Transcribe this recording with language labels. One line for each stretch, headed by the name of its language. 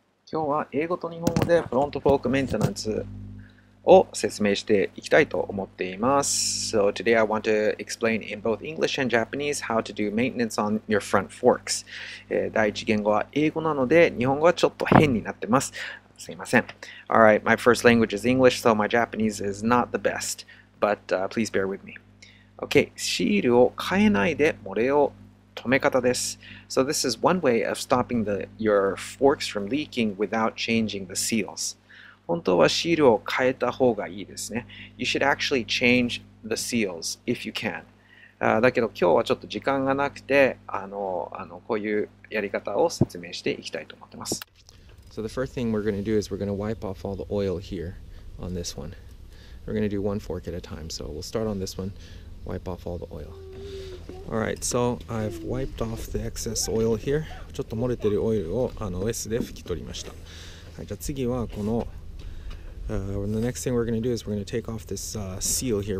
Japanese: 今日は英語と日本語でフロントフォークメンテナンスを説明していきたいと思っています。
English: So today I want to explain in both English and Japanese how to do maintenance on your front forks。
Japanese: 第一言語は英語なので日本語はちょっと変になってます。すいません。
English: Alright, my first language is English, so my Japanese is not the best, but please bear with me.
Japanese: Okay, シールを変えないで漏れを止め方です。
English: So this is one way of stopping your forks from leaking without changing the seals.
Japanese: 本当はシールを変えた方がいいですね。
English: You should actually change the seals if you can.
Japanese: だけど今日はちょっと時間がなくて、こういうやり方を説明していきたいと思ってます。
English: So the first thing we're going to do is we're going to wipe off all the oil here on this one. We're going to do one fork at a time. So we'll start on this one, wipe off all the oil. Alright, so I've wiped off the excess oil here.
Japanese: ちょっと漏れてるオイルをS で拭き取りました。はい、じゃあ次はこの
English: The next thing we're going to do is we're going to take off this seal here.